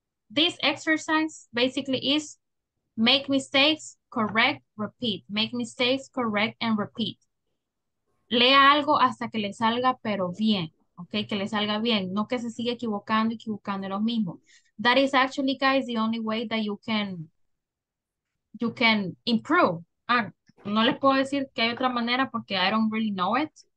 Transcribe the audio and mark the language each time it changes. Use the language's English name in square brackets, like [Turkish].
[English] This exercise basically is make mistakes, correct, repeat. Make mistakes, correct, and repeat. [Spanish] Lea algo hasta que le salga, pero bien. Okay, que le salga bien. No que se siga equivocando y equivocando lo mismo. [English] That is actually, guys, the only way that you can improve. [Spanish] No les puedo decir que hay otra manera porque [English] I don't really know it.